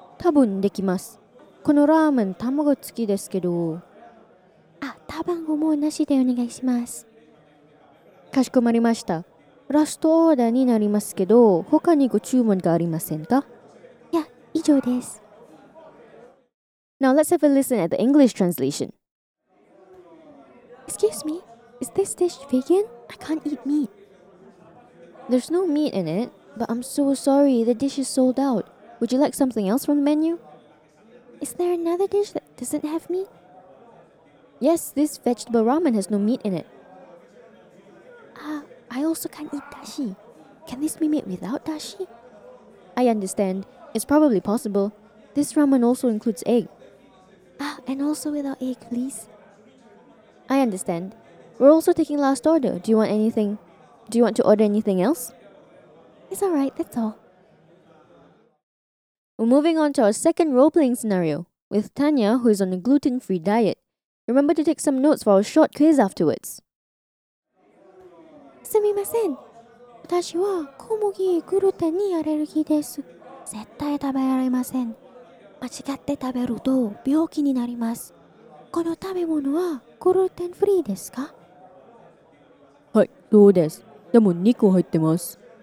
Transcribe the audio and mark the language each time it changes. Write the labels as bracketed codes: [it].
[ja] 多分できます。このラーメン卵付きですけど。あ、卵もなしでお願いします。かしこまりました。ラストオーダーになりますけど、他にご注文がありませんか？いや、以上です。 [en] Now let's have a listen at the English translation. Excuse me, is this dish vegan? I can't eat meat. There's no meat in it, but I'm so sorry, the dish is sold out. Would you like something else from the menu? Is there another dish that doesn't have meat? Yes, this vegetable ramen has no meat in it. Ah, I also can't eat dashi. Can this be made without dashi? I understand. It's probably possible. This ramen also includes egg. Ah, and also without egg, please. I understand. We're also taking last order. Do you want anything? Do you want to order anything else? It's alright, that's all. We're moving on to our second role-playing scenario with Tanya, who is on a gluten-free diet. Remember to take some notes for our short quiz afterwards. [ja] すみません。私は小麦グルテンにアレルギーです。絶対食べられません。間違って食べると病気になります。この食べ物はグルテンフリーですか？はい、そうです。でも肉入ってます。